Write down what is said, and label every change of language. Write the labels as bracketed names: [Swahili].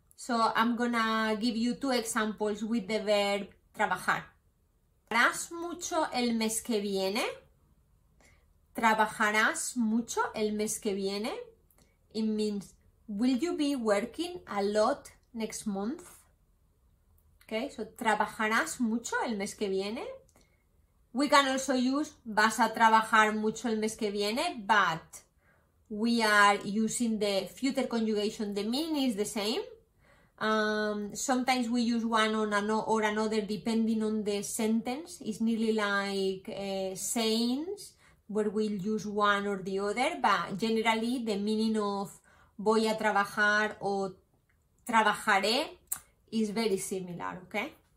[English] So I'm gonna give you two examples with the verb trabajar. [Spanish] ¿Trabajarás mucho el mes que viene? ¿Trabajarás mucho el mes que viene? [English] It means, will you be working a lot next month? Okay, so [Spanish] ¿trabajarás mucho el mes que viene? [English] We can also use, [Spanish] ¿vas a trabajar mucho el mes que viene? [English] But we are using the future conjugation, the meaning is the same. Sometimes we use one on or another depending on the sentence. It's nearly like sayings, where we'll use one or the other, but generally the meaning of [Spanish] voy a trabajar o trabajaré [English] is very similar, okay?